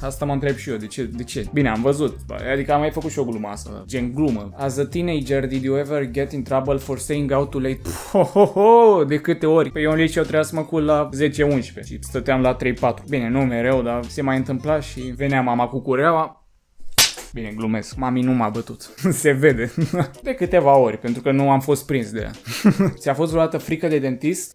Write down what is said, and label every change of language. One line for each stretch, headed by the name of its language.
Romanian: Asta mă întreb și eu, de ce? De ce? Bine, am văzut. Adică am mai făcut și o glumă asta. Gen glumă.
English: As a teenager, did you ever get in trouble for staying out too late?
Romanian: Ho-ho-ho! De câte ori? Păi eu în liceu trebuia să mă cul la 10-11 și stăteam la 3-4. Bine, nu mereu, dar se mai întâmpla și venea mama cu cureaua. Bine, glumesc. Mami nu m-a bătut. Se vede. De câteva ori, pentru că nu am fost prins de ea. Ți-a fost vreodată frică de dentist?